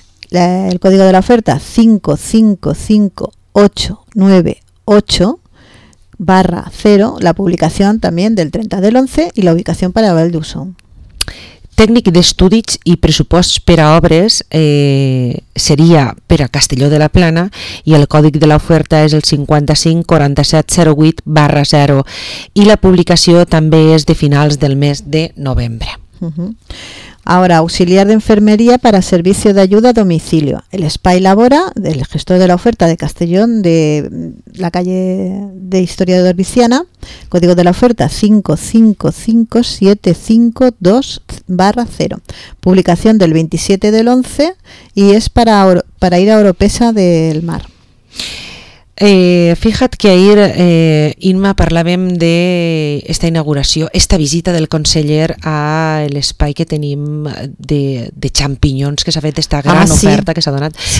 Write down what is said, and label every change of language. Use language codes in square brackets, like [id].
[es] El código de la oferta 555898/0, la publicación también del 30 del 11 y la ubicación para Vall d'Uxó. [ca] Tècnic d'estudis i pressupost per a obres seria per a Castelló de la Plana i el còdic de l'oferta és el 55 4708/0, i la publicació també és de finals del mes de novembre. Uh-huh. [es] Ahora, auxiliar de enfermería para servicio de ayuda a domicilio. El SPAI Labora, el gestor de la oferta de Castellón, de la calle de Historia de Dorbiciana, código de la oferta 555752-0. Publicación del 27 del 11 y es para ir a Oropesa del Mar. [ca] Fija't que ahir, Inma, parlàvem d'esta inauguració, esta visita del conseller a l'espai que tenim de xampinyons, que s'ha fet esta gran oferta que s'ha donat.